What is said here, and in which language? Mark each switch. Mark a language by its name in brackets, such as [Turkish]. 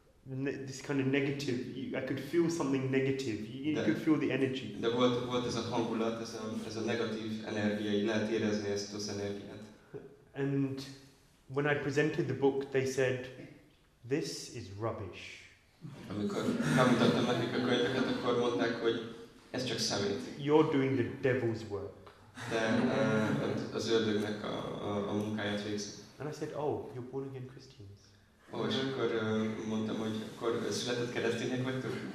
[English] This kind of negative, I could feel something negative, you could feel the energy. [Hungarian] De volt ez a hangulat, ez a negatív energia, így lehet érezni ezt az energiát. [English] And when I presented the book, they said, this is rubbish. [Hungarian] Amikor bemutattam nekik a könyveket, akkor mondták, hogy ez csak szemét. [English] You're doing the devil's work. [Hungarian] De az ördögnek a munkáját végzik. [English] And I said, oh, you're born again Christians. [Hungarian] Ó, és akkor mondtam, hogy akkor született keresztények vagytok?